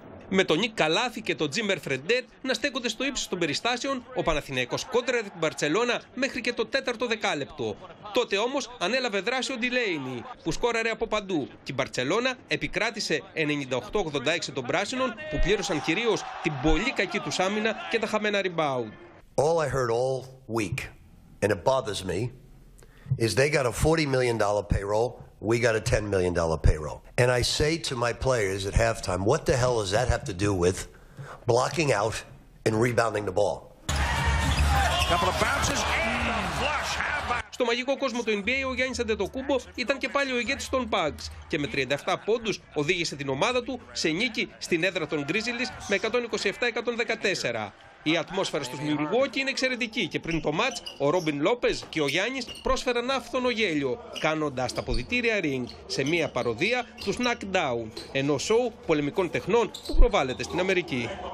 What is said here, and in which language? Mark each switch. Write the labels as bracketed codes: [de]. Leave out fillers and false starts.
[el] Με τον Νίκ Καλάθη και τον Τζίμερ Φρεντέρ να στέκονται στο ύψος των περιστάσεων, ο Παναθηναϊκός κόντραρε την Μπαρτσελόνα μέχρι και το 4ο δεκάλεπτο. Τότε όμως ανέλαβε δράση ο Ντιλέινι, που σκόραρε από παντού. Και η Μπαρτσελόνα επικράτησε 98-86 των πράσινων, που πλήρωσαν κυρίως την πολύ κακή τους άμυνα και τα χαμένα rebound. [en] All I heard all week, and it bothers me, is they got a $40 million payroll. We got a $10 million payroll. And I say to my players at halftime, what the hell does that have to do with blocking out and rebounding the ball? Couple of bounces and a flush. [el] Στο μαγικό κόσμο του NBA, ο Γιάννης Αντετοκούμπο ήταν και πάλι ο ηγέτης των Bucks και με 37 πόντους οδήγησε την ομάδα του σε νίκη στην έδρα των Grizzlies με 127-114. Η ατμόσφαιρα στους Μιλγουόκι είναι εξαιρετική και πριν το μάτς, ο Ρόμπιν Λόπεζ και ο Γιάννης πρόσφεραν άφθονο γέλιο, κάνοντας τα αποδυτήρια ring σε μια παροδία του Knockdown, ενό σοου πολεμικών τεχνών που προβάλλεται στην Αμερική.